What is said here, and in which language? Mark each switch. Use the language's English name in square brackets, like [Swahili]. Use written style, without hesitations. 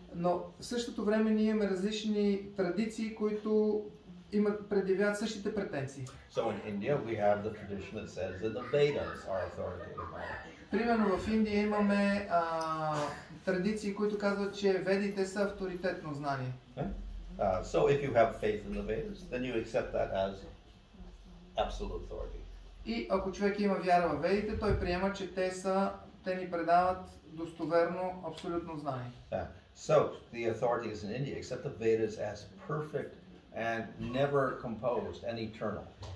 [Bulgarian] Но в същото време ние имаме различни традиции, които имат предявяват същите претенции. [English] So in India we have the tradition that says that the Vedas are authoritative. [Bulgarian] Примерно в Индия имаме традиции, които казват, че ведите са авторитетно знание. [English] So if you have faith in the Vedas, then you accept that as absolute authority. [Bulgarian] И ако човек има вяра в ведите, той приема, че те ни предават достоверно абсолютно знание. [English] So the authority is in India, except the Vedas as perfect and never composed and eternal.